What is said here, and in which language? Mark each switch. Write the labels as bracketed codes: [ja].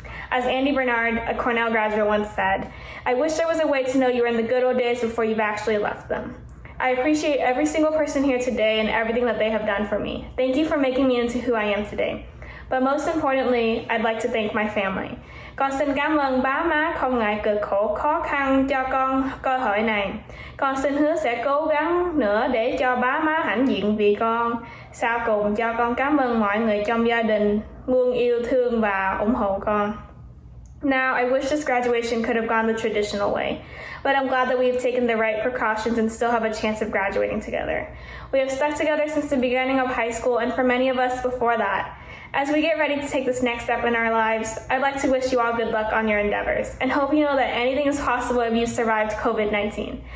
[en] As Andy Bernard, a Cornell graduate, once said, "I wish there was a way to know you were in the good old days before you've actually left them." I appreciate every single person here today and everything that they have done for me. Thank you for making me into who I am today. But most importantly, I'd like to thank my family. [vi] Con xin cảm ơn ba má không ngại cực khổ khó khăn cho con cơ hội này. Con xin hứa sẽ cố gắng nữa để cho ba má hãnh diện vì con. Sau cùng, cho con cảm ơn mọi người trong gia đình luôn yêu thương và ủng hộ con. [en] Now, I wish this graduation could have gone the traditional way, but I'm glad that we have taken the right precautions and still have a chance of graduating together. We have stuck together since the beginning of high school and for many of us before that. As we get ready to take this next step in our lives, I'd like to wish you all good luck on your endeavors and hope you know that anything is possible if you survived COVID-19.